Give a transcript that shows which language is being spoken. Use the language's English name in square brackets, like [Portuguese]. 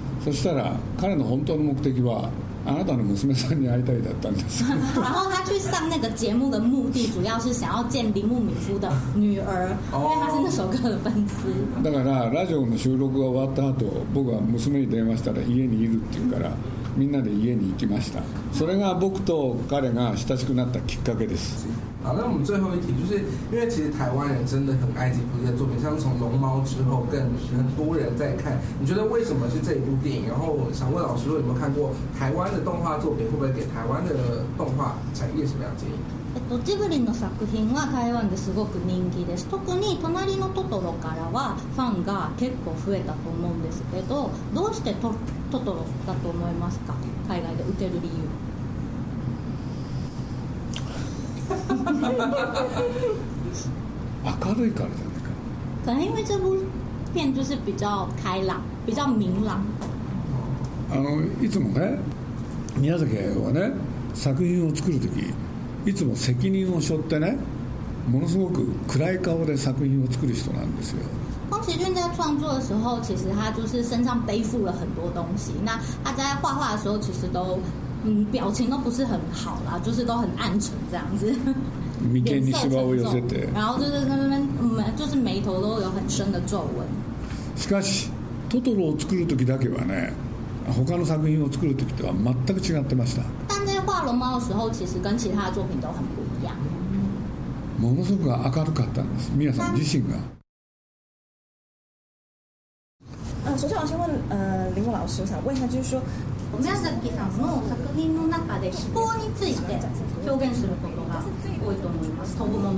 [Japanese] そしたら彼の本当の目的はあなたの娘さんに会いたいだったんです。 [Chinese] 然后他去上那个节目的目的主要是想要见铃木敏夫的女儿，因为他是那首歌的粉丝。 [Japanese] だからラジオの収録が終わった後、僕は娘に電話したら家にいるっていうから、みんなで家に行きました。それが僕と彼が親しくなったきっかけです。 [Chinese] 好，那我们最后一题，就是因为其实台湾人真的很爱这部作品，像从《龙猫》之后，更是很多人在看。你觉得为什么是这一部电影？然后想问老师，如果有没有看过台湾的动画作品，会不会给台湾的动画产业什么样的建议？ [Japanese] ジブリの作品は台湾ですごく人気です。特に隣のトトロからはファンが結構増えたと思うんですけど、どうして トトロだと思いますか。海外で打てる理由。明るいからじゃないか。 [Chinese] 可能因为这部片就是比较开朗比较明朗。 [Japanese] いつもね、宮崎はね、作品を作るときいつも責任を背負ってね、ものすごく暗い顔で作品を作る人なんですよ。 [Chinese] 宫崎骏在创作的时候，其实他就是身上背负了很多东西。那他在画画的时候，其实都表情都不是很好啦，就是都很暗沉这样子。 [Japanese] 眉间にしわを寄せて。 [Chinese] 然后就是在那边，就是眉头都有很深的皱纹。 [Japanese] しかし、トトロを作る時だけはね、他の作品を作る時とは全く違ってました。 [Chinese] 画龙猫的时候，其实跟其他的作品都很不一样。 [Japanese] ものすごく明るかったんです。宮さん自身が。 [Chinese] 首先我先问，林木老师，我想问一下，就是说， [Japanese] 宮崎さんの作品の中で気候について表現することが多いと思います。飛ぶもの。